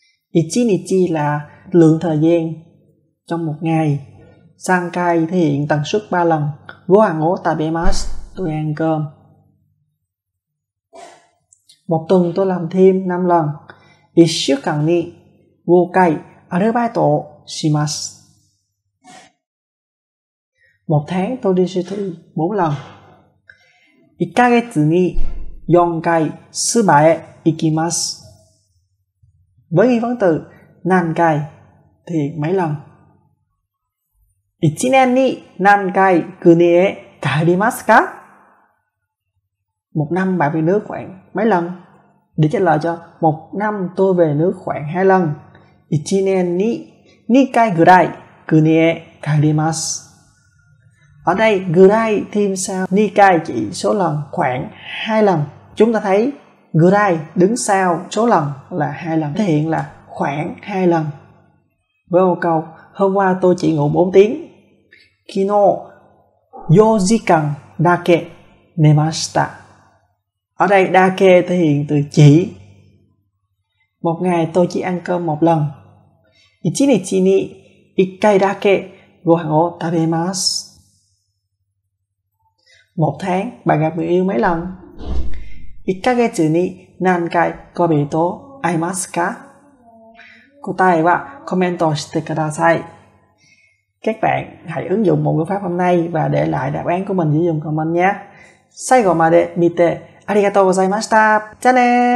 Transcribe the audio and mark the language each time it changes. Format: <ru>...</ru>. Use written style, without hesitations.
<vi>Ichinichi là lượng thời gian trong một ngày. Sankai thể hiện tần suất 3 lần.</vi> <ja>Gohan o tabemasu,</ja> <vi>tôi ăn cơm. Một tuần tôi làm thêm 5 lần.</vi> <ja>1 週間に5回アルバイトをします。</ja> <vi>1 tháng tôi đi siêu thị 4 lần.</vi> <ja>1 ヶ月に4回スーパーへ行きます。</ja> <vi>Với nghi vấn từ 何回thì mấy lần.</vi> <ja>1年に何回国へ帰りますか?</ja> <vi>1 năm bạn về nước khoảng mấy lần? Để trả lời cho một năm tôi về nước khoảng 2 lần.</vi> <ja>1 年に2回ぐらい国へ帰ります.</ja> <vi>Ở đây ぐらい thêm sau 2回chỉ số lần khoảng 2 lần. Chúng ta thấy ぐらい đứng sau số lần là 2 lần, thể hiện là khoảng 2 lần. Với một câu hôm qua tôi chỉ ngủ 4 tiếng.</vi> <ja>昨日4時間だけ寝ました.</ja> <vi>Ở đây đa kê thể hiện từ chỉ. Một ngày tôi chỉ ăn cơm một lần.</vi> <ja>1 日に1回だけご飯を食べます.</ja> <vi>Một tháng bạn gặp người yêu mấy lần?</vi> <ja>1 ヶ月に何回恋人と会いますか? 答えはコメントしてください.</ja> <vi>Các bạn hãy ứng dụng một phương pháp hôm nay và để lại đáp án của mình dưới dòng comment nhé.</vi> <ja>最後まで見てありがとうございました。じゃあねー。</ja>